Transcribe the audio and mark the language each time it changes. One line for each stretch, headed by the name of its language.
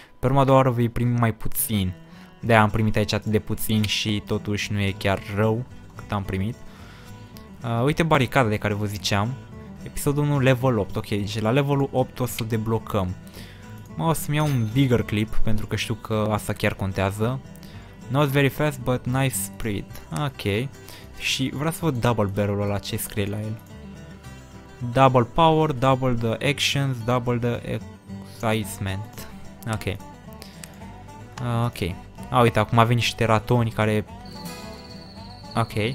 Romanian: Pe urma doua oară vei primi mai puțin. De-aia am primit aici atât de puțin și totuși nu e chiar rău cât am primit. Uite baricada de care vă ziceam. Episodul 1, level 8. Ok, deci la levelul 8 o să deblocăm. Mă, o să-mi iau un bigger clip, pentru că știu că asta chiar contează.
English: Not very fast, but nice sprint. Ok.
Romanian: Și vreau să văd double barrel-ul ăla, ce scrie la el.
English: Double power, double the actions, double the excitement. Ok. Ok.
Romanian: A, uite, acum avem niște ratoni care... Ok.